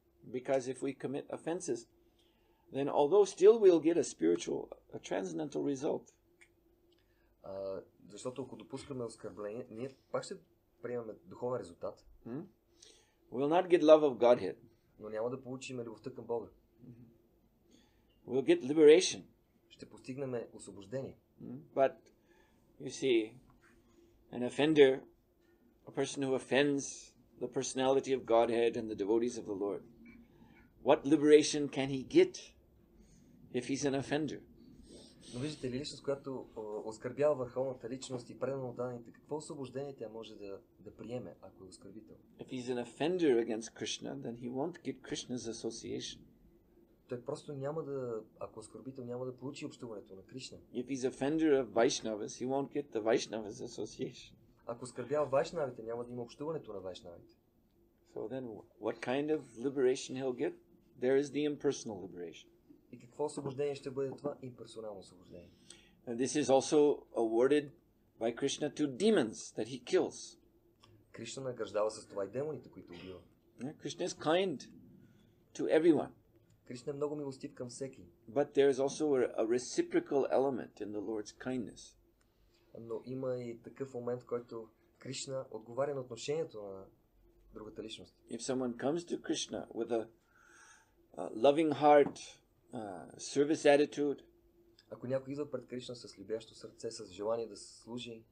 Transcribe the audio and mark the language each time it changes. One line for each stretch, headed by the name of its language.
English: Because if we commit offenses, then although still we'll get a spiritual, a transcendental result.
Bulgarian: Защото ако допускаме оскърбление, ние пак ще приемаме духовен резултат.
English: We'll not get love of Godhead.
Bulgarian: Но няма да получим любовта към Бога.
English: We'll get liberation.
Bulgarian: Ще постигнем освобождение.
English: But, you see, an offender, a person who offends the personality of Godhead and the devotees of the Lord, what liberation can he get if he's an offender?
Bulgarian: Но виждате ли, личност, която оскърбява върховната личност и предано данните, какво освобождение тя може да приеме, ако е оскърбител?
English: If he's an offender against Krishna, then he won't get Krishna's association.
Bulgarian: Той просто няма да, ако е оскърбител, няма да получи общуването на Кришна.
English: If he's offender of Vaishnavas, he won't get the Vaishnavas association.
Bulgarian: Ако оскърбява вайшнавите, няма да има общуването на вайшнавите.
English: So then, what kind of liberation he'll get? There is the impersonal liberation.
Bulgarian: И какво освобождение ще бъде това? Имперсонално освобождение.
English: And this is also awarded by Krishna to demons that he kills.
Bulgarian: Кришна награждава с това и демоните, които убива.
English: Krishna is kind to everyone.
Bulgarian: Кришна е много милостив към всеки.
English: But there is also a reciprocal element in the Lord's kindness.
Bulgarian: Но има и такъв момент, който Кришна отговаря на отношението на другата личност.
English: If someone comes to Krishna with a loving heart, service attitude,
Bulgarian: ако някой идва пред Кришна с любящо сърце, с желание да служи,